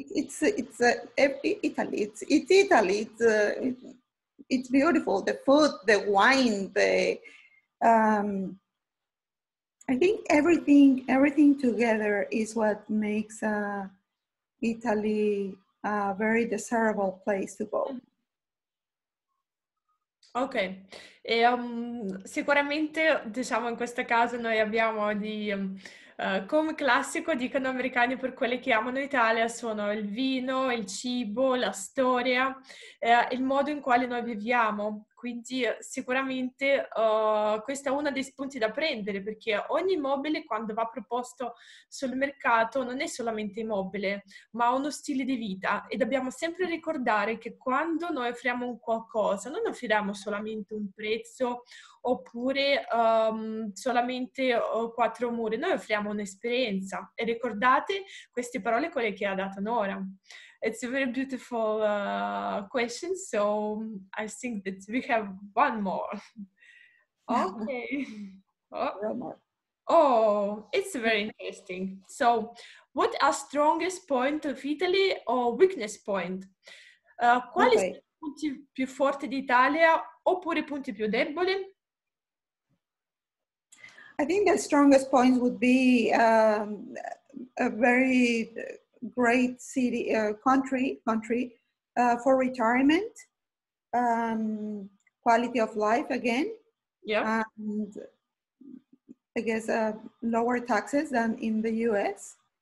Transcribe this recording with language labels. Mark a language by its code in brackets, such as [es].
[en] It's Italy. It's beautiful. The food, the wine, the I think everything together is what makes Italy a very desirable place to go. [it] Ok, e, sicuramente diciamo in questo caso noi abbiamo di come classico dicono americani per quelli che amano Italia sono il vino, il cibo, la storia, il modo in quale noi viviamo. Quindi sicuramente questo è uno dei spunti da prendere perché ogni immobile quando va proposto sul mercato non è solamente immobile ma ha uno stile di vita e dobbiamo sempre ricordare che quando noi offriamo un qualcosa non offriamo solamente un prezzo oppure solamente quattro mura, noi offriamo un'esperienza e ricordate queste parole quelle che ha dato Nora. [en] It's a very beautiful question, so I think that we have one more. Okay. Oh, it's very interesting. So, what are strongest point of Italy or weakness point? [it] Quali okay. sono i punti più forti d'Italia oppure i punti più deboli? [en] I think the strongest point would be a very great city, country for retirement, quality of life again, yeah, and I guess lower taxes than in the US,